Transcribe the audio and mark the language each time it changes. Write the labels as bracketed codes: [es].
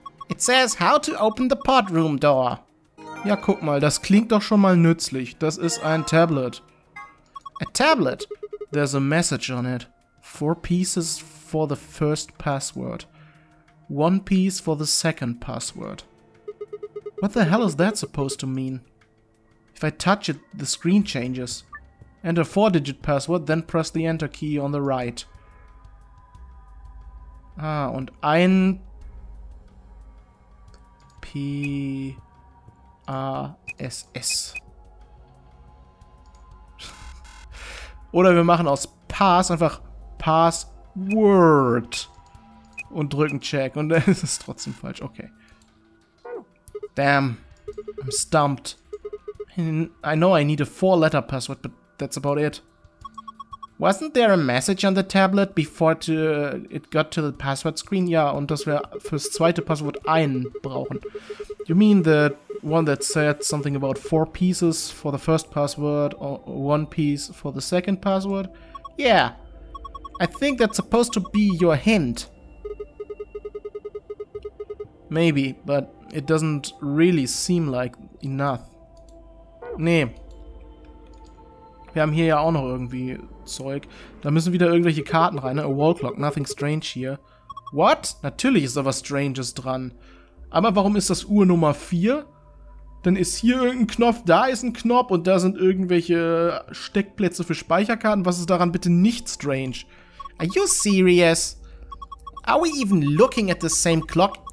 [en] It says how to open the pod room door. [de] Ja, guck mal, das klingt doch schon mal nützlich. Das ist ein Tablet. [en] A tablet? There's a message on it. 4 pieces for the first password. 1 piece for the second password. What the hell is that supposed to mean? If I touch it, the screen changes. Enter 4-digit password, then press the enter key on the right. [de] Ah, und ein P-A-S-S. Oder wir machen aus Pass einfach Password und drücken Check. Und dann ist es trotzdem falsch. Okay. [en] Damn. I'm stumped. I know I need a 4-letter password, but that's about it. Wasn't there a message on the tablet before it got to the password screen? [de] Ja, und dass wir fürs zweite Passwort einen brauchen. [en] You mean the one that said something about 4 pieces for the first password or 1 piece for the second password? Yeah. I think that's supposed to be your hint. Maybe, but it doesn't really seem like enough. [de] Nee. Wir haben hier ja auch noch irgendwie Zeug. Da müssen wieder irgendwelche Karten rein, ne? [en] A wall clock, nothing strange here. What? [de] Natürlich ist da was Stranges dran. Aber warum ist das Uhr Nummer 4? Dann ist hier irgendein Knopf, da ist ein Knopf und da sind irgendwelche Steckplätze für Speicherkarten. Was ist daran bitte nicht strange? [en] Are you serious? Are we even looking at the same clock?